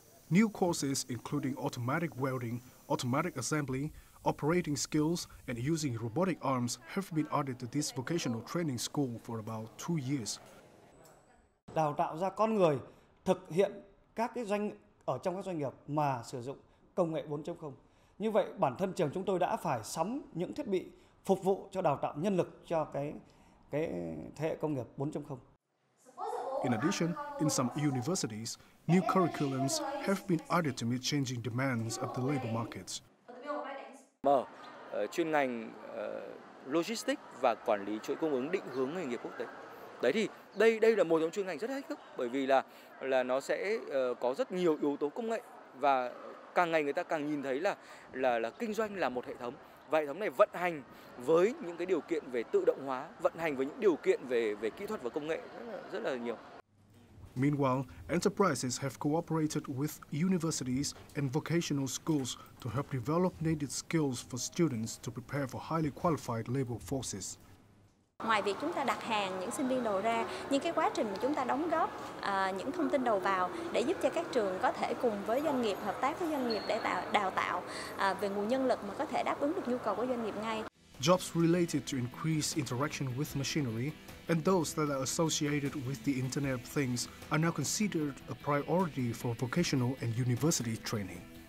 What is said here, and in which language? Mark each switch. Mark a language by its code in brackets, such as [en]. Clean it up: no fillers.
[en] New courses including automatic welding, automatic assembly, operating skills, and using robotic arms have been added to this vocational training school for about 2 years. [vi] Đào tạo ra con người thực hiện các cái doanh ở trong các doanh nghiệp mà sử dụng công nghệ 4.0. Như vậy bản thân trường chúng tôi đã phải sắm những thiết bị phục vụ cho đào tạo nhân lực cho cái thế hệ công nghiệp 4.0. [en] In addition, in some universities, new curriculums have been added to meet changing demands of the labor markets. [vi] Mở chuyên ngành logistics và quản lý chuỗi cung ứng định hướng nghề nghiệp quốc tế. Đấy thì đây là một trong chuyên ngành rất thách thức, bởi vì là nó sẽ có rất nhiều yếu tố công nghệ, và càng ngày người ta càng nhìn thấy là kinh doanh là một hệ thống. Và hệ thống này vận hành với những cái điều kiện về tự động hóa, vận hành với những điều kiện về kỹ thuật và công nghệ rất là nhiều. [en] Meanwhile, enterprises have cooperated with universities and vocational schools to help develop needed skills for students to prepare for highly qualified labor forces. [vi] Ngoài việc chúng ta đặt hàng những sinh viên đầu ra, những cái quá trình mà chúng ta đóng góp những thông tin đầu vào để giúp cho các trường có thể cùng với doanh nghiệp, hợp tác với doanh nghiệp để đào tạo về nguồn nhân lực mà có thể đáp ứng được nhu cầu của doanh nghiệp ngay. [en] Jobs related to increased interaction with machinery and those that are associated with the Internet of Things are now considered a priority for vocational and university training.